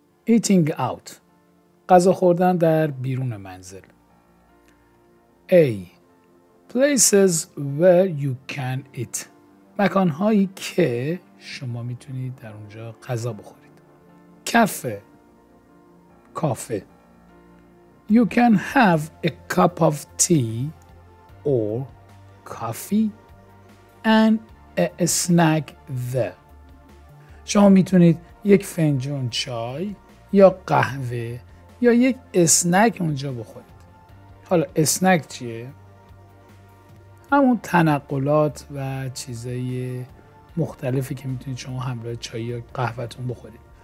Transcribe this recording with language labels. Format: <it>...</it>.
<en>Eating out،</en> <fa>غذا خوردن در بیرون منزل.</fa> <en>A. Places where you can eat،</en> <fa>مکانهایی که شما میتونید در اونجا غذا بخورید.</fa> <en>Cafe، کافه. You can have a cup of tea or coffee and a snack there.</en> <fa>شما میتونید یک فنجون چای یا قهوه یا یک اسنک اونجا بخورید. حالا اسنک چیه؟ همون تنقلات و چیزهای مختلفی که میتونید شما همراه چای یا قهوهتون بخورید.</fa>